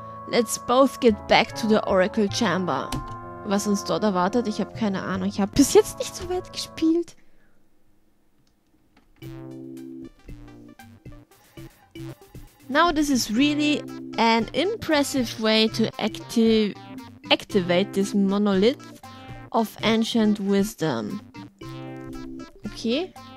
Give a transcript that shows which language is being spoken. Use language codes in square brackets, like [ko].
[en] Let's both get back to the Oracle Chamber. [de] Was uns dort erwartet, ich habe keine Ahnung. Ich habe bis jetzt nicht so weit gespielt. [en] Now this is really an impressive way to activate this monolith of ancient wisdom. Okay.